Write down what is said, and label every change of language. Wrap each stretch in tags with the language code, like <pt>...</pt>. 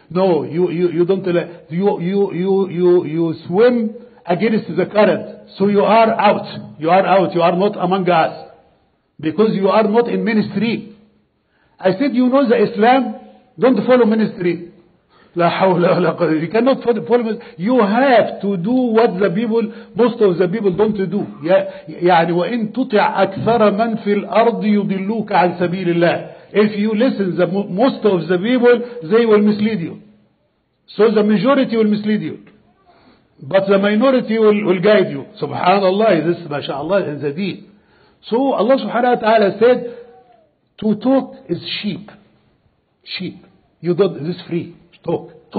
<en>No, you don't, you swim against the current, so you are out, you are not among us, because you are not in mainstream. I said, you know the Islam, don't follow ministry.</en> <ar>La hawla wa la quwwata.</ar> <en>You cannot follow ministry. You have to do what the people, most of the people don't do.</en> <ar>يعني وإن تطع أكثر من في الأرض يضلوك عن سبيل الله.</ar> <en>If you listen to the most of the people, they will mislead you. So the majority will mislead you. But the minority will guide you. Subhanallah, this is mashallah in the deen. So Allah subhanahu wa ta'ala said, to talk is sheep. You don't, this is free. Talk.</en>